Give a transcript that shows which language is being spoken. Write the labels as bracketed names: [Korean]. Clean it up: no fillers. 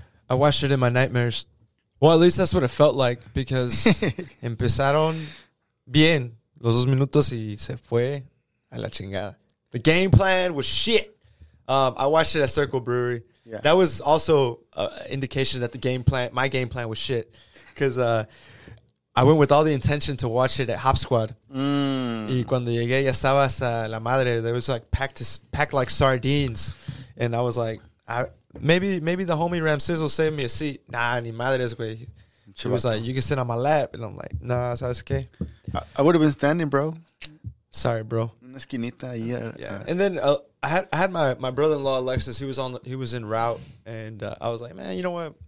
[English] I watched it in my nightmares. Well, at least that's what it felt like, because [Spanish] empezaron bien los dos minutos y se fue a la chingada. [English] The game plan was shit. I watched it at Circle Brewery. Yeah. That was also an indication that my game plan was shit. Because I went with all the intention to watch it at Hop Squad. Mm. [Spanish] Y cuando llegué, ya estaba hasta la madre. [English] There was like packed like sardines. And I was like, maybe the homie Ram Sizzle saved me a seat. Nah, [Spanish] ni madres, güey. [English] She was like, you can sit on my lap. And I'm like, nah, so it's okay. I would have been standing, bro. Sorry, bro. [Spanish] Esquinita, yeah. [English] And then I had my brother-in-law Alexis. He was en route, and I was like, man, you know what?